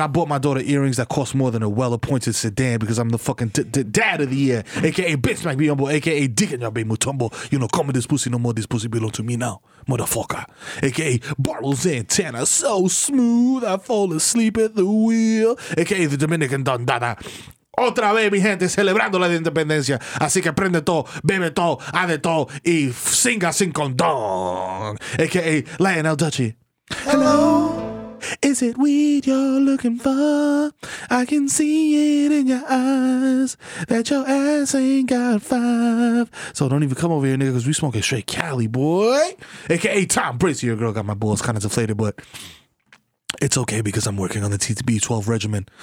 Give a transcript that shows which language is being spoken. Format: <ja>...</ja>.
<en>I bought my daughter earrings that cost more than a well-appointed sedan because I'm the fucking dad of the year. A.K.A. Bitch Mike Biombo. A.K.A. Dick and Yabe Mutombo. You know, come with this pussy no more. This pussy belong to me now. Motherfucker. A.K.A. Bartles Antenna. So smooth, I fall asleep at the wheel. A.K.A. the Dominican Dondana.</en> <es>Otra vez, mi gente, celebrando la independencia. Así que prende todo, bebe todo, ade todo, y singa sin condón.</es> <en>A.K.A. Lionel Dutchie. Hello, is it weed you're looking for? I can see it in your eyes that your ass ain't got five. So don't even come over here, nigga, because we smoking straight Cali, boy. A.K.A. Tom Brady, your girl got my balls kind of deflated, but... It's okay because I'm working on the TB12 regimen.</en>